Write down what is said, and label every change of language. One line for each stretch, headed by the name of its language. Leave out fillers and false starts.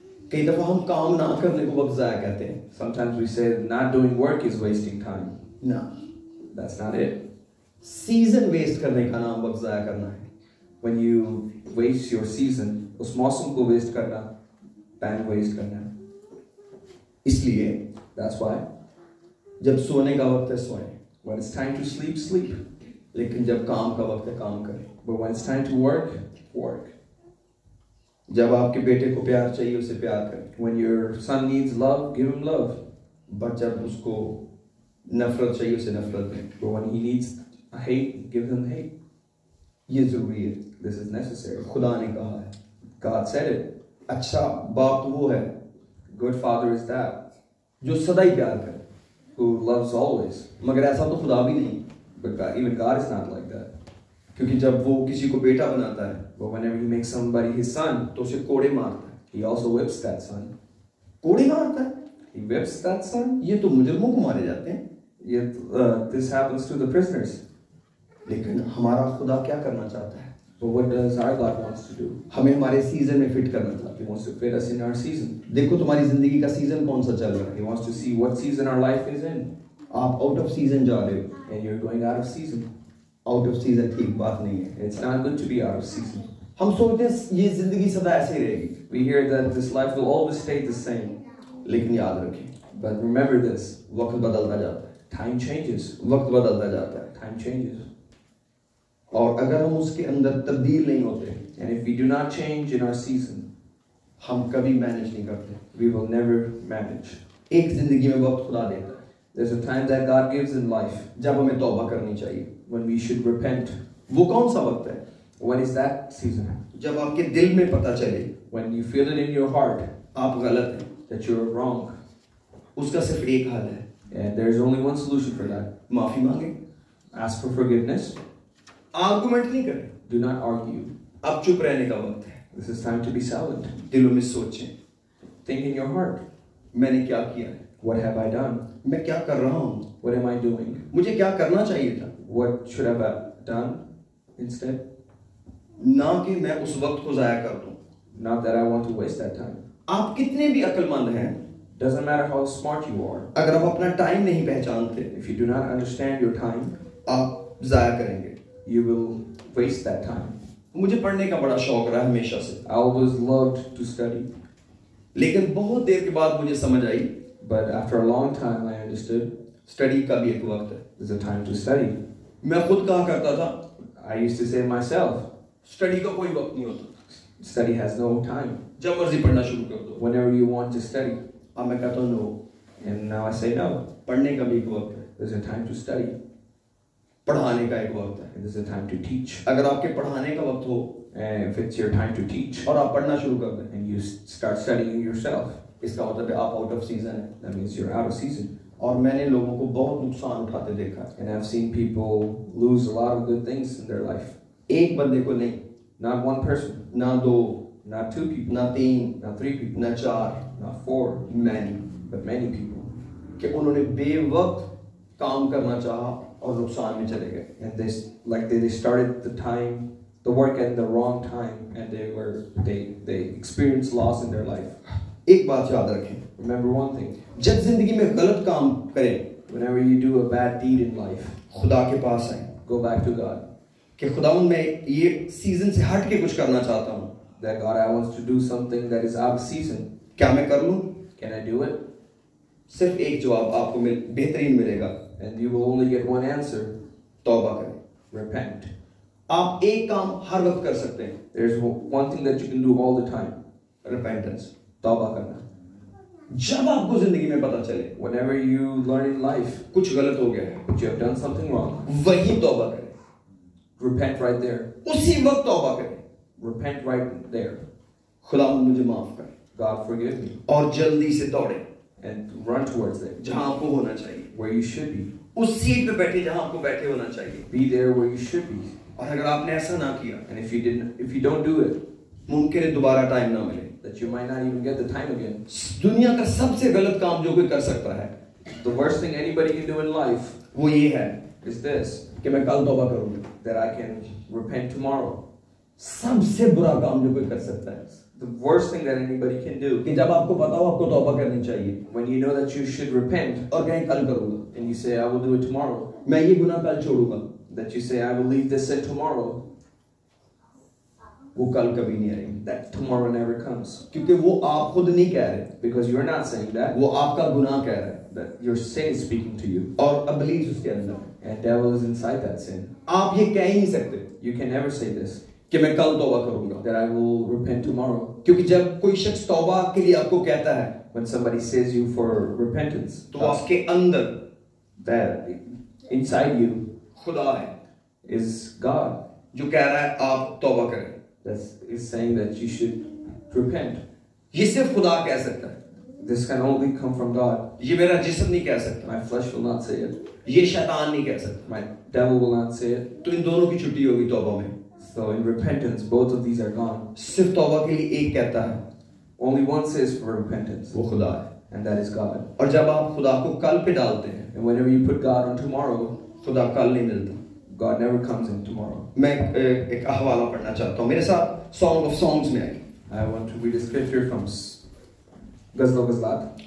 Hindi: कई दफा हम काम ना करने को वक्त जाया कहते हैं.
English: Sometimes we say not doing work is wasting time. No. That's not it. Season waste
Hindi: करने का नाम वक्त जाया करना है.
English: When you waste your season,
Hindi: उस मौसम को वेस्ट करना,
English: time waste
Hindi: करना. इसलिए.
English: That's why.
Hindi: जब सोने का वक्त है सोएं.
English: When it's time to sleep, sleep.
Hindi: लेकिन जब काम का वक्त है काम करें.
English: But when it's time to work, work.
Hindi: जब आपके बेटे को प्यार चाहिए उसे प्यार करें.
English: When your son needs love, give him love.
Hindi: But जब उसको नफरत चाहिए उसे नफरत दें.
English: But when he needs hate, give him hate.
Hindi: ये जरूरी है.
English: This is necessary.
Hindi: खुदा ने कहा है.
English: God said it.
Hindi: अच्छा बाप वो है.
English: Good father is that.
Hindi: जो सदा ही प्यार करे.
English: Who loves always.
Hindi: मगर ऐसा तो खुदा भी नहीं.
English: But God, even God is not like that.
Hindi: क्योंकि जब वो किसी को बेटा बनाता है,
English: but whenever he makes somebody his son,
Hindi: तो उसे कोड़े मारता है.
English: He also whips that son.
Hindi: कोड़े मारता है?
English: He whips that son.
Hindi: ये तो मुजरमों को मारे जाते हैं. ये
English: this happens to the prisoners.
Hindi: लेकिन हमारा खुदा क्या करना चाहता है?
English: But what does our God wants to do?
Hindi: हमें हमारे सीजन में फिट करना चाहता है.
English: He wants to fit us in our season.
Hindi: देखो तुम्हारी जिंदगी का सीजन कौन सा चल रहा है?
English: He wants to see what season our life is in.
Hindi: आप
English: out of season
Hindi: जा रहे हो.
English: And you're going out of season. Out of season
Hindi: ठीक बात नहीं है.
English: It's not good to be out of season.
Hindi: हम सोचते हैं ये जिंदगी सदा ऐसे ही रहेगी.
English: We hear that this life will always stay the same.
Hindi: लेकिन याद रखें.
English: But remember this.
Hindi: वक्त बदलता जाता है.
English: Time changes.
Hindi: वक्त बदलता जाता है.
English: Time changes.
Hindi: और अगर हम उसके अंदर तब्दील नहीं होते.
English: And if we do not change in our season.
Hindi: हम कभी मैनेज नहीं करते.
English: We will never manage.
Hindi: एक जिंदगी में वक्त खुदा देता है.
English: There's a time that God gives in life.
Hindi: जब हमें तौबा करनी चाहिए.
English: When we should repent.
Hindi: वो कौन सा वक्त है?
English: When is that season?
Hindi: जब आपके दिल में पता चले.
English: When you feel it in your heart.
Hindi: आप गलत हैं.
English: That you're wrong.
Hindi: उसका सिर्फ एक हल है.
English: And there's only one solution for that.
Hindi: माफी मांगे.
English: Ask for forgiveness.
Hindi: आर्गुमेंट नहीं करें.
English: Do not argue.
Hindi: अब चुप रहने का वक्त है.
English: This is time to be silent.
Hindi: दिलों में सोचें.
English: Think in your heart.
Hindi: मैंने क्या किया है?
English: What have I done?
Hindi: मैं क्या कर रहा हूँ?
English: What am I doing?
Hindi: मुझे क्या करना चाहिए था?
English: What should I have done instead?
Hindi: ना कि मैं उस वक्त को जाया कर दूँ.
English: Not that I want to waste that time.
Hindi: आप कितने भी अकलमंद हैं.
English: Doesn't matter how smart you are.
Hindi: अगर आप अपना टाइम नहीं पहचानते.
English: If you do not understand your time.
Hindi: आप जाया करेंगे.
English: You will waste that time.
Hindi: मुझे पढ़ने का बड़ा शौक रहा हमेशा से.
English: I always loved to study.
Hindi: लेकिन बहुत देर के बाद मुझे समझ आई.
English: But after a long time, I understood.
Hindi: Study का भी एक वक्त है.
English: There's a time to study.
Hindi: मैं खुद कहा करता था.
English: I used to say myself.
Hindi: Study का कोई वक्त नहीं होता.
English: Study has no time.
Hindi: जब मर्जी पढ़ना शुरू कर दो.
English: Whenever you want to study.
Hindi: अब मैं कहता हूँ
English: no. And now I say no.
Hindi: पढ़ने का भी एक वक्त है.
English: There's a time to study.
Hindi: पढ़ाने का एक वक्त है.
English: There's a time to teach.
Hindi: अगर आपके पढ़ाने का वक्त हो.
English: And if it's your time to teach.
Hindi: और आप पढ़ना शुरू कर दें.
English: And you start studying yourself.
Hindi: इसका मतलब आप आउट ऑफ सीजन है.
English: That means you're out of season.
Hindi: और मैंने लोगों को बहुत नुकसान उठाते देखा.
English: And I've seen people lose a lot of good things in their life.
Hindi: एक बंदे को नहीं.
English: Not one person.
Hindi: ना दो.
English: Not two people.
Hindi: ना तीन.
English: Not three people.
Hindi: ना चार.
English: Not four. Many. But many people.
Hindi: कि उन्होंने बेवक्त काम करना चाहा और नुकसान में चले गए.
English: And they started the time, the work at the wrong time, and they experienced loss in their life.
Hindi: एक बात याद रखें.
English: Remember one thing.
Hindi: जब जिंदगी में गलत काम करें.
English: Whenever you do a bad deed in life.
Hindi: खुदा के पास आएं.
English: Go back to God.
Hindi: कि खुदावन मैं ये सीजन से हट के कुछ करना चाहता हूँ.
English: That God, I want to do something that is out of season.
Hindi: क्या मैं कर लूँ?
English: Can I do it?
Hindi: सिर्फ एक जवाब आपको बेहतरीन मिलेगा
English: and you will only get one answer
Hindi: तौबा करें
English: repent
Hindi: आप एक काम हर वक्त कर सकते हैं
English: there is one thing that you can do all the time repentance
Hindi: तौबा करना जब आपको जिंदगी में पता चले
English: whenever you learn in life
Hindi: कुछ गलत हो गया है
English: you have done something wrong
Hindi: वही तौबा करें
English: repent right there
Hindi: उसी वक्त तौबा करें
English: repent right there
Hindi: खुदा मुझे माफ कर
English: God forgive me
Hindi: और जल्दी से दौड़े
English: And run towards it.
Hindi: जहां आपको होना चाहिए
English: where you should be.
Hindi: उस सीट पे बैठे जहां आपको बैठे होना चाहिए
English: be there where you should be.
Hindi: और अगर आपने ऐसा ना किया
English: and if you didn't, if you don't do it,
Hindi: मुमकिन है दोबारा टाइम ना मिले
English: that you might not even get the time again.
Hindi: दुनिया का सबसे गलत काम जो कोई कर सकता है
English: the worst thing anybody can do in life,
Hindi: वो ये है
English: is this,
Hindi: कि मैं कल तौबा करूंगा
English: that I can repent tomorrow.
Hindi: सबसे बुरा काम जो कोई कर सकता है
English: The worst thing that anybody can do.
Hindi: कि जब आपको पता हो आपको तौबा करनी चाहिए.
English: When you know that you should repent.
Hindi: और कहें कल करूँगा.
English: And you say I will do it tomorrow.
Hindi: मैं ये गुनाह कल छोड़ूंगा.
English: That you say I will leave this sin tomorrow.
Hindi: वो कल कभी नहीं आएगी.
English: That tomorrow never comes.
Hindi: क्योंकि वो आप खुद नहीं कह रहे.
English: Because you're not saying that.
Hindi: वो आपका गुनाह कह रहा है.
English: That your sin is speaking to you.
Hindi: और अबलीज उसके अंदर.
English: And devil is inside that sin.
Hindi: आप ये कह ही नहीं सकते.
English: You can never say this.
Hindi: कि मैं कल तौबा करूंगा
English: that I will repent tomorrow.
Hindi: क्योंकि जब कोई शख्स तौबा के लिए आपको कहता है
English: when somebody says you for repentance,
Hindi: तो आपके अंदर
English: there, inside you,
Hindi: खुदा है
English: is God,
Hindi: जो कह रहा है आप तौबा करें
English: that is saying that you should repent.
Hindi: ये सिर्फ खुदा कह सकता है
English: This can only come from God.
Hindi: ये मेरा जिस्म नहीं कह सकता.
English: My flesh will not say it.
Hindi: ये शैतान नहीं कह सकता.
English: My devil will not say it.
Hindi: तो इन दोनों की छुट्टी होगी तौबा में
English: So in repentance, both of these are gone.
Hindi: सिर्फ तौबा के लिए एक कहता है.
English: Only one says for repentance.
Hindi: वो खुदा है.
English: And that is God.
Hindi: और जब आप खुदा को कल पे डालते हैं.
English: And whenever you put God on tomorrow,
Hindi: खुदा कल नहीं मिलता.
English: God never comes in tomorrow.
Hindi: मैं एक हवाला पढ़ना चाहता हूँ. मेरे साथ Song of Songs में आई.
English: I want to read a scripture from Ghazal Ghazalat.